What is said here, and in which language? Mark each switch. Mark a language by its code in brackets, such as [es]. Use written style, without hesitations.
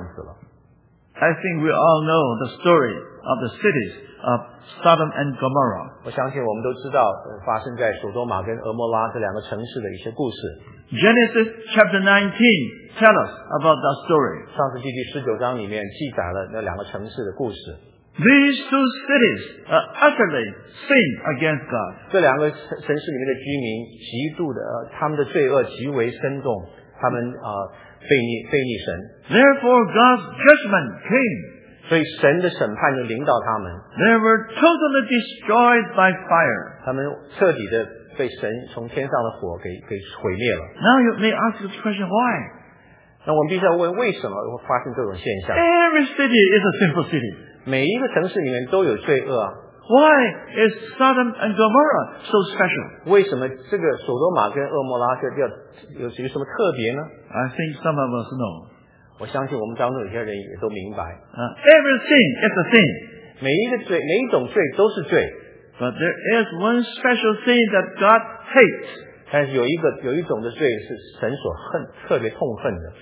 [en] I think we all know the story of the cities of Sodom and Gomorrah. [zh] 我相信我们都知道发生在索多玛跟俄摩拉这两个城市的一些故事。 [en] Genesis chapter 19 tell us about that story. [zh] 创世纪第19章里面记载了那两个城市的故事。 [en] These two cities are utterly sinned against God. [zh] 这两个城市里面的居民极度的，他们的罪恶极为深重，他们背逆神。 [en] Therefore, God's judgment came. [zh] 所以神的审判就临到他们。 [en] They were totally destroyed by fire. [zh] 他们彻底的被神从天上的火给毁灭了。 [en] Now you may ask this question, why? [zh] 那我们必须要问为什么会发生这种现象。 [en] Every city is a sinful city. [zh] 每一个城市里面都有罪恶啊。 [en] Why is Sodom and Gomorrah so special? [zh] 为什么这个索多玛跟厄摩拉这叫有什么特别呢？ [en] I think some of us know. [zh] 我相信我们当中有些人也都明白。 [en] Everything is a sin. [zh] 每一种罪都是罪。 [en] But there is one special thing that God hates. [zh] 但是有一种的罪是神所恨，特别痛恨的。